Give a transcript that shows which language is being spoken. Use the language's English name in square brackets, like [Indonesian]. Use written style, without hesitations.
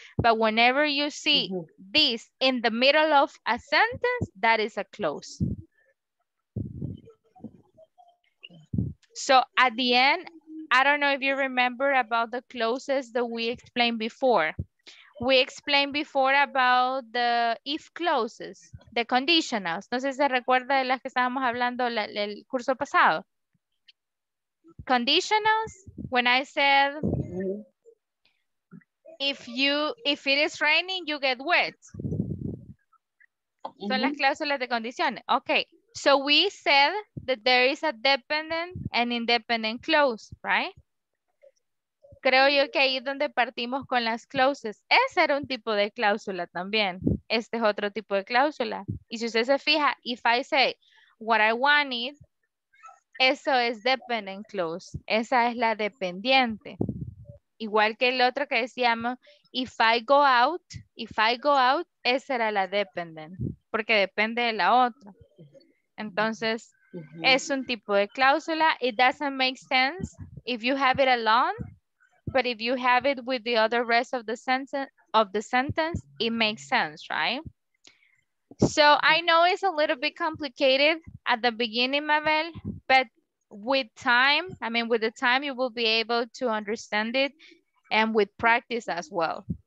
[English] But whenever you see this in the middle of a sentence, that is a clause. So at the end, I don't know if you remember about the clauses that we explained before. We explained before about the if clauses, the conditionals. [Spanish] No sé si se recuerda de las que estábamos hablando el curso pasado. [English] Conditionals, when I said, if it is raining, you get wet. [Spanish] Son las cláusulas de condiciones. [English] Okay, so we said that there is a dependent and independent clause, right? [Spanish] Creo yo que ahí es donde partimos con las clauses. Ese era un tipo de cláusula también. Este es otro tipo de cláusula. Y si usted se fija, [English] if I say what I want is, [Spanish] eso es [English] dependent clause. [Spanish] Esa es la dependiente. Igual que el otro que decíamos, [English] if I go out, [Spanish] esa era la dependent, porque depende de la otra. Entonces, es un tipo de cláusula. [English] It doesn't make sense if you have it alone, but if you have it with the other rest of the sentence, it makes sense, right? So I know it's a little bit complicated at the beginning, Mabel, but with time, I mean, with the time, you will be able to understand it and with practice as well.